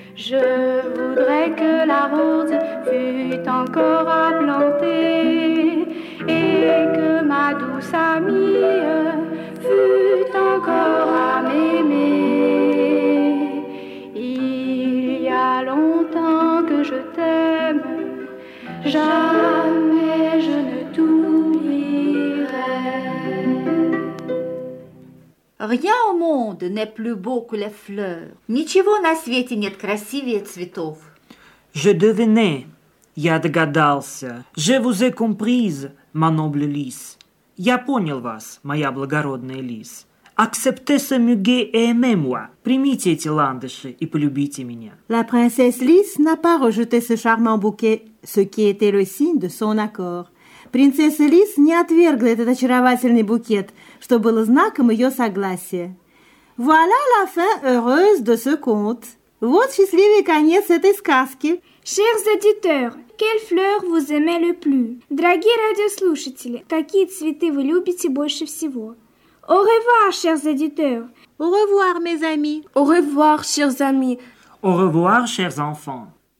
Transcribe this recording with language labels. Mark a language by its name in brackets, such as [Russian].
[French] Je voudrais que la rose fût encore à planter et que ma douce amie fût encore à m'aimer. Il y a longtemps que je t'aime, jamais je ne Rien au monde n'est plus beau que les fleurs. [Russian] Ничего на свете нет красивее цветов. [French] Je devinais, [Russian] я догадался. [French] Je vous ai comprise, ma noble lys. [Russian] Я понял вас, моя благородная лис. [French] Acceptez ce muguet et aimez-moi. [Russian] Примите эти ландыши и полюбите меня. [French] La princesse lys n'a pas rejeté ce charmant bouquet, ce qui était le signe de son accord. [Russian] Принцесса Лис не отвергла этот очаровательный букет, что было знаком ее согласия. [French] Voilà la fin heureuse de ce conte. [Russian] Вот счастливый конец этой сказки. [French] Chers auditeurs, quelle fleur vous aimez le plus? [Russian] Дорогие радиослушатели, какие цветы вы любите больше всего? [French] Au revoir, chers auditeurs. Au revoir, mes amis. Au revoir, chers amis. Au revoir, chers enfants.